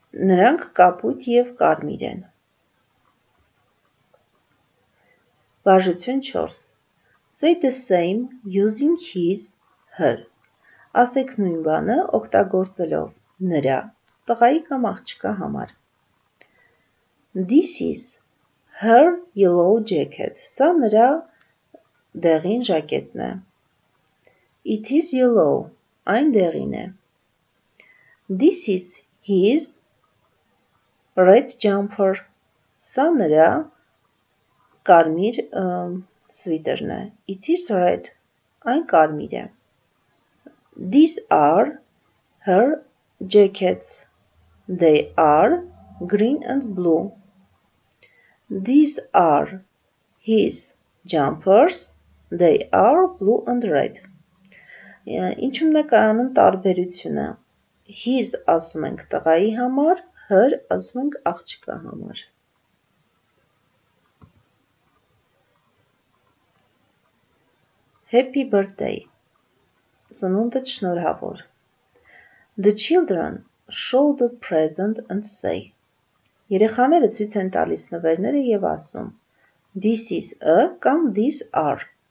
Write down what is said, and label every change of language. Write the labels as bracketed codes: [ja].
[hy] Նրանք կապույտ և կարմիր են. Վարժություն 4. [en] Say the same using his, her. [hy] Ասեք նույն բանը օգտագործելով նրա, տղայի կամ աղջկա համար. [en] This is her yellow jacket. [hy] Սա նրա դեղին ժակետն է. [en] It is yellow. [hy] Այն դեղին է. [en] This is his red jumper. [hy] Սա նրա կարմիր սվիտերն է. [en] It is red. [hy] Այն կարմիր է. [en] These are her jackets. They are green and blue. These are his jumpers. They are blue and red. [hy] Ինչում նկայանում տարբերությունը. His ասում ենք տղայի համար, her ասում ենք աղջկա համար. [en] Happy birthday. [hy] Ծնունդը շնորհավոր. [en] The children Show the present and say. [hy] Երեխաները ցույց են տալիս նվերները և ասում. [en] This is a [hy] կամ [en] these are.